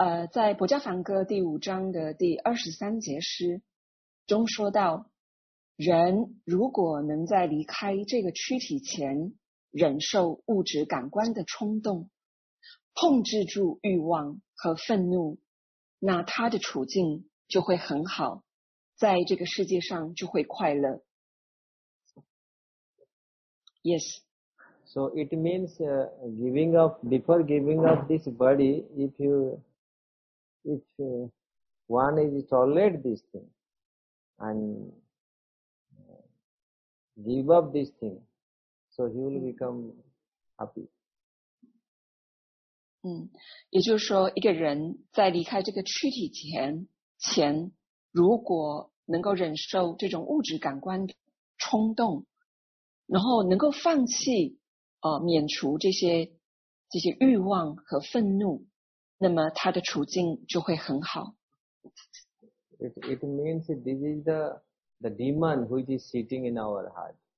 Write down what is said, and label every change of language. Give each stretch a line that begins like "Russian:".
Chinese: 在《薄伽梵歌》第五章的第23节诗中说到，人如果能在离开这个躯体前忍受物质感官的冲动，控制住欲望和愤怒，那他的处境就会很好，在这个世界上就会快乐。
English: Yes. So it means giving up, before giving up this body, if one is tolerate this thing and give up this thing, so he will become happy.
Chinese: 也就是说一个人在离开这个躯体前如果能够忍受这种物质感官冲动，然后能够放弃免除这些欲望和愤怒，那么他的处境就会很好。
English: It means this is the demon which is sitting in our heart.